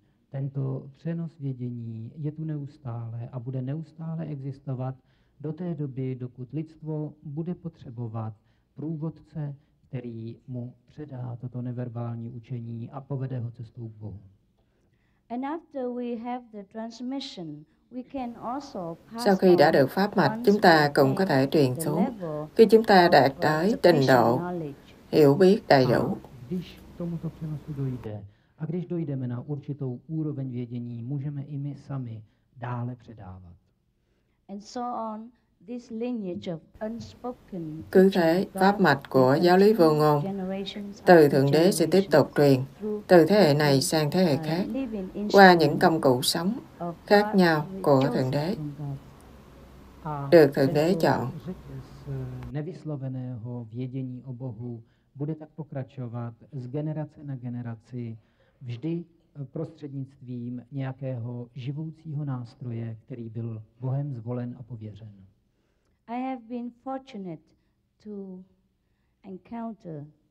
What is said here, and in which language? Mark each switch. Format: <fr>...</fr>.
<cs>Tento přenos vědění je tu neustále a bude neustále existovat do té doby, dokud lidstvo bude potřebovat průvodce, který mu předá toto neverbální učení a povede ho cestou k Bohu.</cs> <en>And after we have the transmission, we can also pass.</en> <vi>Sau khi đã được pháp mạch, chúng ta cũng có thể truyền xuống. Khi chúng ta đạt tới trình độ hiểu biết đầy đủ.</vi> <cs>Když tomuto přenosu dojde, a když dojdeme na určitou úroveň vědění, můžeme i my sami dále předávat.</cs> <en>And so on, this lineage of unspoken.</en> <vi>Cứ thế, pháp mạch của giáo lý vô ngôn từ Thượng Đế sẽ tiếp tục truyền từ thế hệ này sang thế hệ khác qua những công cụ sống khác nhau của Thượng Đế, được Thượng Đế chọn.</vi> <cs>Nevysloveného vědění o Bohu bude tak pokračovat z generace na generaci, vždy prostřednictvím nějakého živoucího nástroje, který byl Bohem zvolen a pověřen.</cs> <en>I have been fortunate to encounter</en>